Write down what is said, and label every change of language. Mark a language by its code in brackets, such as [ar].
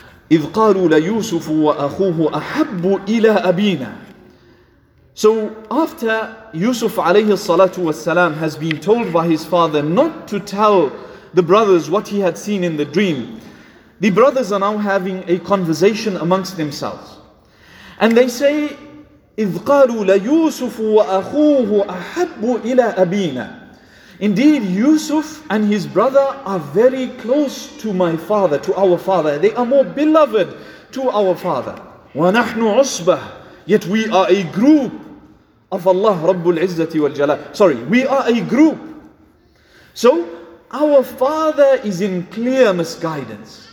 [ar] إِذْ قَالُوا لَيُوسُفُ وَأَخُوهُ أَحَبُّ إِلَىٰ أَبِينَا. [en] So after Yusuf alayhi salatu wasalam has been told by his father not to tell the brothers what he had seen in the dream. The brothers are now having a conversation amongst themselves. And they say, [ar] إِذْ قَالُوا لَيُوسُفُ وَأَخُوهُ أَحَبُّ إِلَىٰ أَبِينَا. [en] Indeed, Yusuf and his brother are very close to my father, to our father. They are more beloved to our father. [ar] وَنَحْنُ عُصْبَةٌ. [en] Yet we are a group of Allah Rabbul Izzati wal Jalal. Sorry, we are a group. So, our father is in clear misguidance.